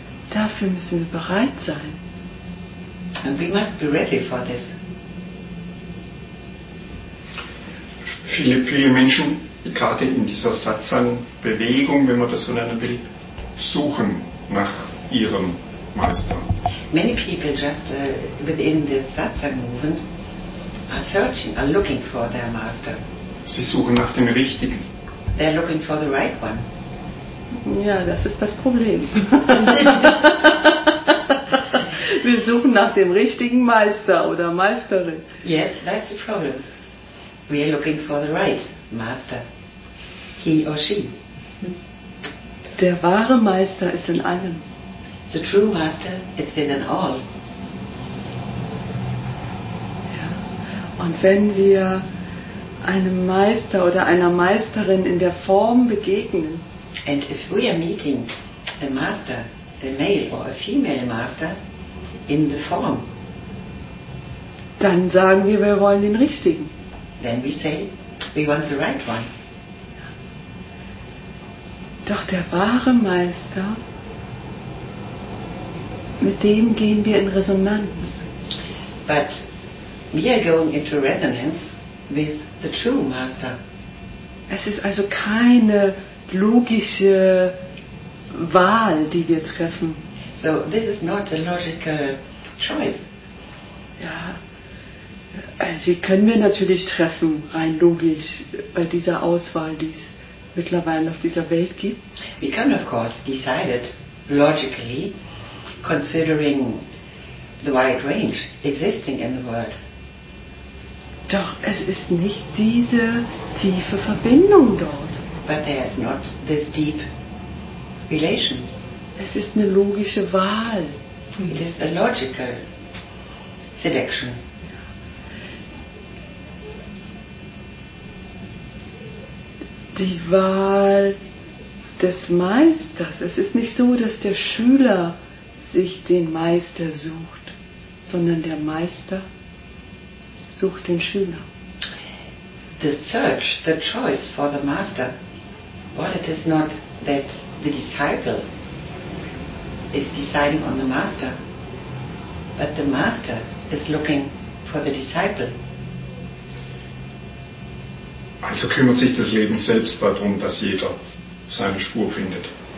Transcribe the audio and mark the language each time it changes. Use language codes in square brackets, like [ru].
[de] Dafür müssen wir bereit sein. [en] And we must be ready for this. [de] Viele Menschen, gerade in dieser Satsang-Bewegung, wenn man das so nennen will, suchen nach ihrem Meister. [en] Many people just within the Satsang movement are searching, are looking for their master. [de] Sie suchen nach dem Richtigen. [en] They're looking for the right one. [de] Ja, das ist das Problem. Wir suchen nach dem richtigen Meister oder Meisterin. [en] Yes, that's the problem. We are looking for the right master. He or she. [de] Der wahre Meister ist in allem. [en] The true master is within all. [de] Ja. Und wenn wir einem Meister oder einer Meisterin in der Form begegnen. [en] And if we are meeting a master, a male or a female master in the form, [de] dann sagen wir wollen den richtigen. [en] Then we say we want the right one. [de] Doch der wahre Meister, mit dem gehen wir in Resonanz. [en] But we are going into resonance with the true master. [de] Es ist also keine logische Wahl, die wir treffen. [en] So this is not a logical choice. [de] Ja. Sie können wir natürlich treffen, rein logisch, bei dieser Auswahl, die es mittlerweile auf dieser Welt gibt. [en] We can of course decide it logically, considering the wide range existing in the world. [de] Doch es ist nicht diese tiefe Verbindung dort. [en] But there is not this deep relation. [de] Es ist eine logische Wahl. [en] It is a logical selection. [de] Die Wahl des Meisters. Es ist nicht so, dass der Schüler sich den Meister sucht, sondern der Meister sucht den Schüler. [en] The search, the choice for the master. Well, it is not that the disciple is deciding on the master, but the master is looking for the disciple. [de] Also kümmert sich das Leben selbst darum, dass jeder seine Spur findet.